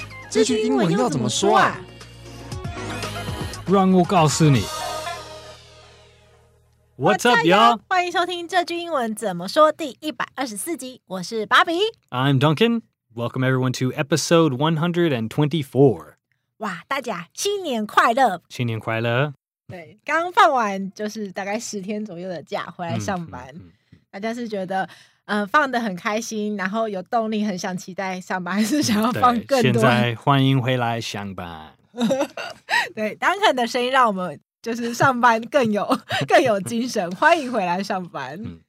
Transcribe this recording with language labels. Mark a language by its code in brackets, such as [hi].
[zh] 这句英文要怎么说啊？让我告诉你 [en] ，What's up, y'all？ [zh] 欢迎收听这句英文怎么说第124集。我是芭比 [en] ，I'm Duncan。 Welcome everyone to episode 124。 [zh] 哇，大家新年快乐！新年快乐！对，刚放完就是大概10天左右的假，回来上班。大家是觉得放得很开心，然后有动力，很想期待上班，还是想要放更多？现在欢迎回来上班。对 ，Duncan 的声音让我们就是上班更有精神，欢迎回来上班。